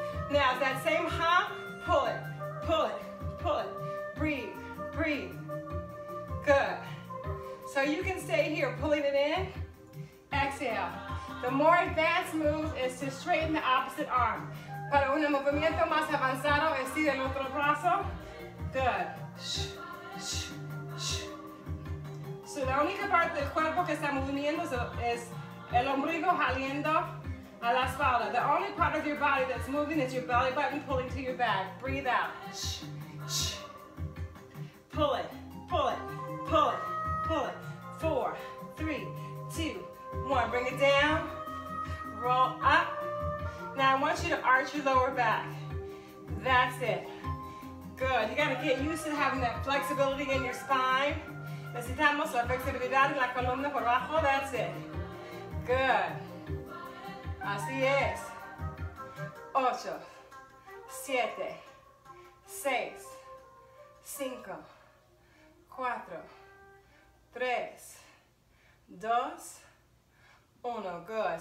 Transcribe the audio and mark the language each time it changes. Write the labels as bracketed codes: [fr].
[en] Now, that same hop, pull it, pull it, pull it. Breathe, breathe. Good. So you can stay here, pulling it in. Exhale. The more advanced move is to straighten the opposite arm. [es] Para un movimiento más avanzado, estira el otro brazo. Good. Shh, shh. So la única parte del cuerpo que está moviendo es el ombligo jaliendo a la espalda. [en] The only part of your body that's moving is your belly button pulling to your back. Breathe out. Shh, shh. Pull it, pull it, pull it, pull it. Four, three, two, one. Bring it down. Roll up. Now I want you to arch your lower back. That's it. Good. You got to get used to having that flexibility in your spine. [es] Necesitamos la flexibilidad en la columna por abajo. [en] That's it. Good. [es] Así es. Ocho. Siete. Seis. Cinco. Cuatro. Tres. Dos. Uno. Good.